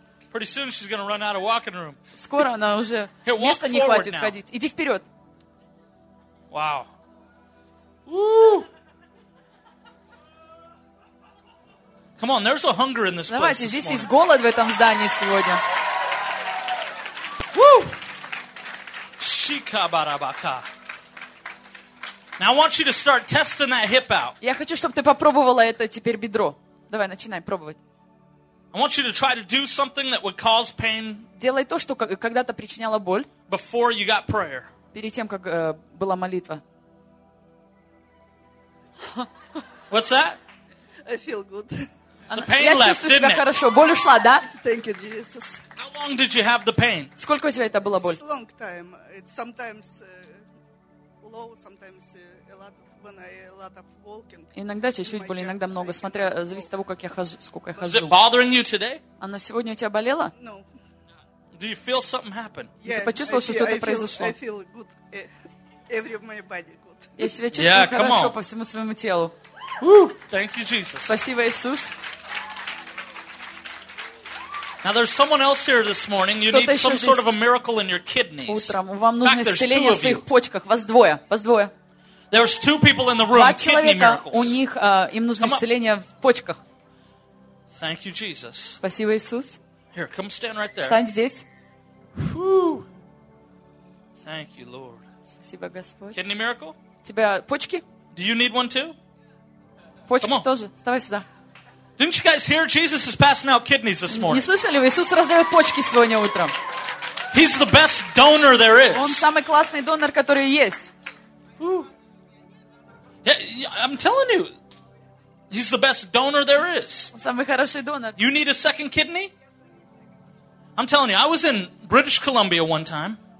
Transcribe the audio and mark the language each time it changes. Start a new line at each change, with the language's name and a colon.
English: Pretty soon she's going to run out of walking room.
Russian: Скоро она уже места не хватит ходить. Иди вперед.
English: Wow. Come on, there's a hunger in this place.
Russian: Давайте, здесь есть голод в этом здании сегодня. Шикабарабака.
English: Now I want you to start testing that hip out.
Russian: Я хочу, чтобы ты попробовала это теперь бедро. Давай, начинай пробовать.
English: I want you to try to do something that would cause pain.
Russian: Делай то, что когда-то причиняло боль.
English: Before you got prayer.
Russian: Перед тем, как была молитва.
English: What's that? I feel good. The pain left, didn't it?
Russian: Я чувствую себя хорошо. Боль ушла, да?
English: Thank you, Jesus. How long did you have the pain?
Russian: Сколько у тебя это была боль?
English: It's a long time. It's sometimes low, sometimes a lot of, when I a lot of walking.
Russian: Иногда чуть-чуть боли, иногда много, смотря зависит от того, как я хожу, сколько я хожу.
English: Is it bothering you today?
Russian: Она сегодня у тебя болела?
English: No. Do you feel something happen?
Russian: Yeah, ты почувствовал, что что-то произошло?
English: I feel good. Every of my body good.
Russian: Я себя чувствую
English: yeah,
Russian: хорошо
English: on.
Russian: По всему своему телу.
English: Thank you, Jesus.
Russian: Спасибо, Иисус.
English: Now there's someone else here this morning. You need some sort of a miracle in your kidneys.
Russian: Утром вам нужно исцеление в своих почках. Вас двое. Вас двое.
English: There's two people in the room.
Russian: Два человека. У них им нужно исцеление в почках.
English: Thank you, Jesus.
Russian: Спасибо, Иисус.
English: Here, come stand right there.
Russian: Стань здесь.
English: Thank you, Lord.
Russian: Спасибо, Господь.
English: Kidney miracle?
Russian: Тебя почки?
English: Do you need one too?
Russian: Почки тоже. Вставай сюда.
English: Didn't you guys hear Jesus is passing out kidneys this morning?
Russian: Не слышали, Иисус раздает почки сегодня утром.
English: He's the best donor there is.
Russian: Он самый классный донор, который есть.
English: I'm telling you, he's the best donor there is.
Russian: Он самый хороший донор.
English: You need a second kidney? I'm telling you, I was in British Columbia one time.